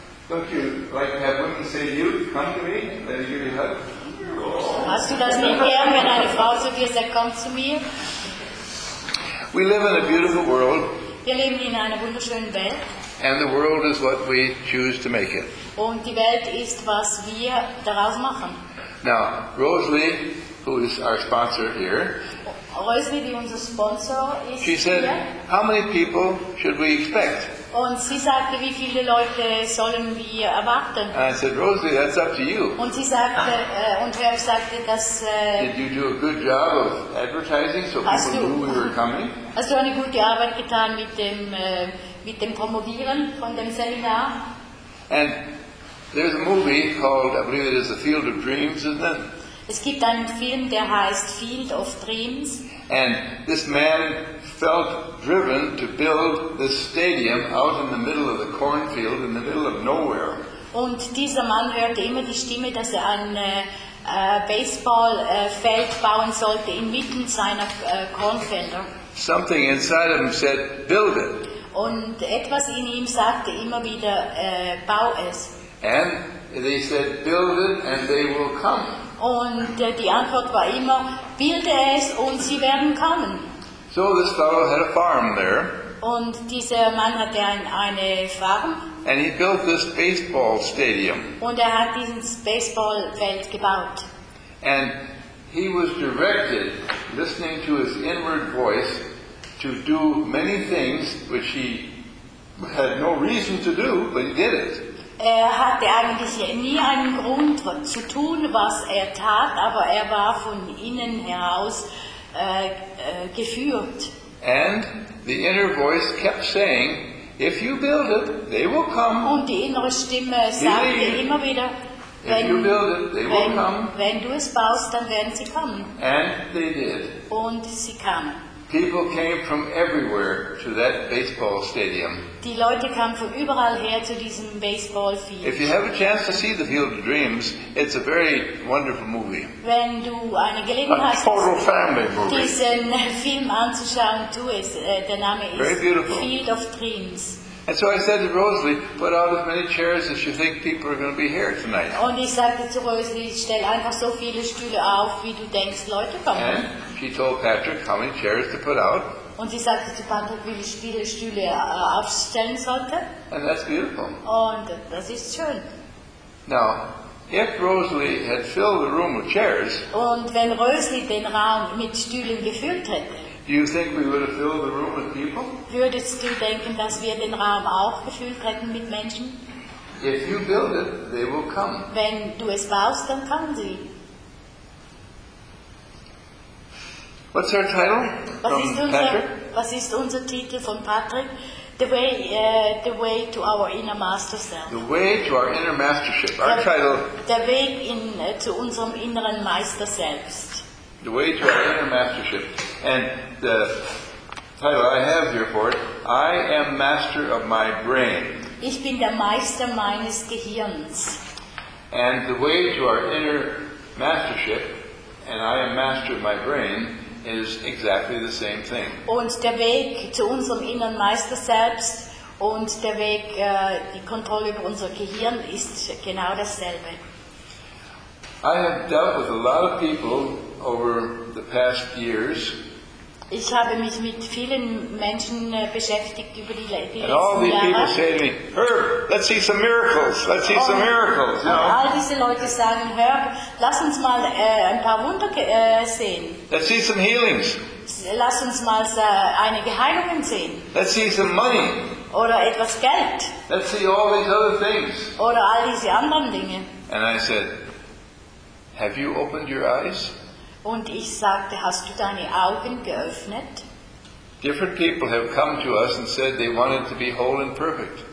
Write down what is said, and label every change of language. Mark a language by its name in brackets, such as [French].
[English] Don't you like have women say to you, come to me, let me give you a hug? [German] Hast du das nicht gern, wenn eine Frau zu dir sagt, komm zu mir? [English] We live in a beautiful world. [German] Wir leben in einer wunderschönen Welt. [English] And the world is what we choose to make it. [German] Und die Welt ist, was wir daraus machen. [English] Now, Rosalie, who is our sponsor here, [German] Rosalie, die unser Sponsor ist, [English] she said, [German] hier. [English] How many people should we expect? [German] Und sie sagte, wie viele Leute sollen wir erwarten? [English] And I said, Rosalie, that's up to you. [German] Und sie sagte, und Herr sagte, dass... [English] Did you do a good job of advertising so people knew we were coming? [German] Hast du eine gute Arbeit getan mit dem Promovieren von dem Seminar? [English] And there's a movie called, I believe it is The Field of Dreams, isn't it? [German] Es gibt einen Film, der heißt Field of Dreams. [English] And this man felt driven to build this stadium out in the middle of the cornfield, in the middle of nowhere. [German] Und dieser Mann hörte immer die Stimme, dass er ein Baseballfeld bauen sollte inmitten seiner Kornfelder. [English] Something inside of him said, build it. [German] Und etwas in ihm sagte immer wieder, bau es. [English] And they said, build it and they will come. [German] Und die Antwort war immer, bilde es und sie werden kommen. [English] So this fellow had a farm there. [German] Und dieser Mann hatte eine Farm. [English] And he built this baseball stadium. [German] Und hat dieses Baseballfeld gebaut. [English] And he was directed, listening to his inward voice, to do many things which he had no reason to do, but he did it. [German] Er hatte eigentlich nie einen Grund zu tun, was er tat, aber er war von innen heraus geführt. [English] And the inner voice kept saying, if you build it, they will come. [German] Und die innere Stimme sagte immer wieder, wenn du es baust, dann werden sie kommen. [English] And they did. [German] Und sie kamen. [English] People came from everywhere to that baseball stadium. [German] Die Leute kamen von überall her zu diesem Baseballfield. [English] If you have a chance to see The Field of Dreams, it's a very wonderful movie. [German] Wenn du eine Gelegenheit hast, [English] total family movie. [German] Diesen Film anzuschauen, tu es. Der Name ist Field of Dreams. [English] And so I said to Rosalie, put out as many chairs as you think people are going to be here tonight. [German] Und ich sagte zu Rosalie, stell einfach so viele Stühle auf, wie du denkst, Leute kommen. [English] And she told Patrick how many chairs to put out. [German] Und sie sagte zu Patrick, wie viele Stühle aufstellen sollte. [English] And that's beautiful. [German] Und das ist schön. [English] Now, if Rosalie had filled the room with chairs. [German] Und wenn Rosalie den Raum mit Stühlen gefüllt hätte. [English] Do you think we would have filled the room with people? [German] Würdest du denken, dass wir den Raum auch gefüllt hätten mit Menschen? [English] If you build it, they will come. [German] Wenn du es baust, dann kommen sie. [English] What's our title? [German] Was ist unser Titel von Patrick? [English] The way to our inner master self. The way to our inner mastership. Our title. [German] Der Weg in zu unserem inneren Meister selbst. [English] The way to our inner mastership. And the title I have here for it, I am master of my brain. [German] Ich bin der Meister meines Gehirns. [English] And the way to our inner mastership, and I am master of my brain, is exactly the same thing. [German] Und der Weg zu unserem inneren Meister selbst und der Weg, die Kontrolle über unser Gehirn, ist genau dasselbe. [English] I have dealt with a lot of people over the past years. [German] Ich habe mich mit vielen Menschen beschäftigt über die letzten Jahre. [English] And all these people say to me, "Herb, let's see some miracles. Let's see some miracles." You know? [German] All diese Leute sagen, Herb, lass uns mal ein paar Wunder sehen. [English] Let's see some healings. [German] Lass uns mal einige Heilungen sehen. [English] Let's see some money. [German] Oder etwas Geld. [English] Let's see all these other things. [German] Oder all diese anderen Dinge. [English] And I said, "Have you opened your eyes?" [German] Und ich sagte, hast du deine Augen geöffnet? [English] Different people have come to us and said they wanted to be whole and perfect.